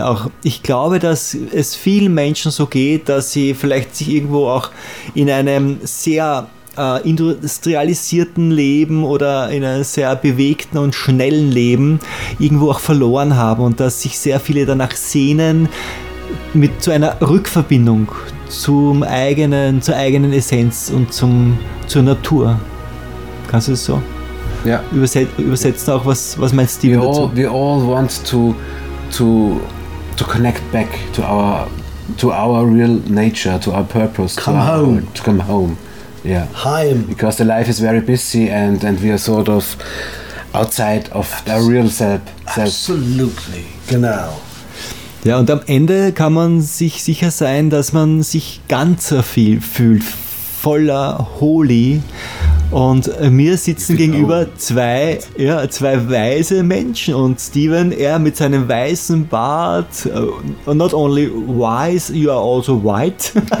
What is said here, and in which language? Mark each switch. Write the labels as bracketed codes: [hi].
[de] Auch ich glaube, dass es vielen Menschen so geht, dass sie vielleicht sich irgendwo auch in einem sehr industrialisierten Leben oder in einem sehr bewegten und schnellen Leben irgendwo auch verloren haben und dass sich sehr viele danach sehnen, mit zu einer Rückverbindung zum eigenen, zur eigenen Essenz und zur Natur. Kannst du das so? Ja. Übersetzt auch, was meinst du dazu? [en] We all want to connect back to our real nature, to our purpose. To come home. Yeah. [de] Heim. [en] Because the life is very busy and we are sort of outside of our real self. Absolutely. [de] Genau. Ja, und am Ende kann man sich sicher sein, dass man sich ganzer viel fühlt, voller Holy. Und mir sitzen gegenüber zwei weise Menschen. Und Steven, er mit seinem weißen Bart, [en] not only wise, you are also white.